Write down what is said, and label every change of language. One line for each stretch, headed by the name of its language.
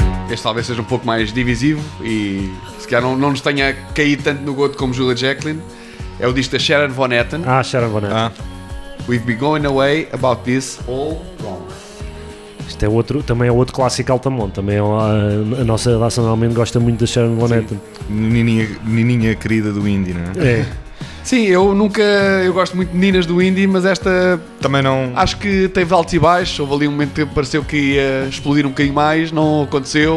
Portuguese: Este talvez seja um pouco mais divisivo e se calhar não nos tenha caído tanto no goto como Julia Jacklin. É o disco da Sharon Van Etten. Ah, Sharon Van Etten.
English: We've been going away about this all wrong.
Portuguese: Isto é outro, também é outro clássico Altamont. Também é a nossa relação normalmente gosta muito da Sharon Van Etten. Menininha querida do indie, não é? É. Sim, eu gosto muito de meninas do indie, mas esta também não. Acho que teve altos e baixos, houve ali um momento que pareceu que ia explodir um bocadinho mais, não aconteceu.